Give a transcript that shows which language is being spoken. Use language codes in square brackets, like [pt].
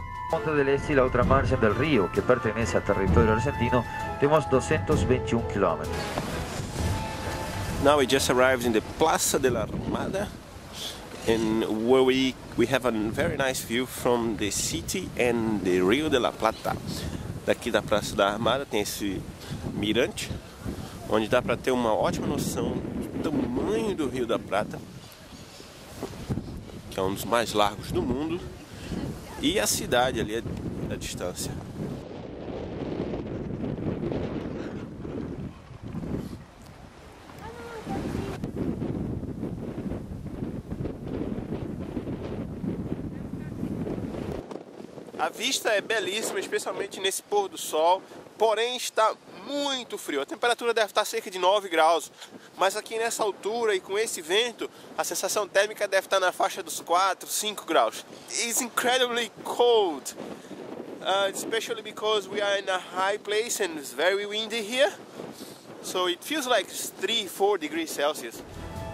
[es] Monte del Este y la otra margen del río, que pertenece al territorio argentino, tenemos 221 kilómetros. [en] Now we just arrived in the Plaza de la Armada, and where we have a very nice view from the city and the Rio de la Plata. [pt] Daqui da Praça da Armada tem esse mirante, onde dá para ter uma ótima noção do tamanho do Rio da Plata, que é um dos mais largos do mundo. E a cidade ali à distância. A vista é belíssima, especialmente nesse pôr do sol, porém está muito frio. A temperatura deve estar cerca de 9 graus, mas aqui nessa altura e com esse vento, a sensação térmica deve estar na faixa dos 4, 5 graus. [en] It's incredibly cold, especially because we are in a high place and it's very windy here. So it feels like 3, 4 degrees Celsius.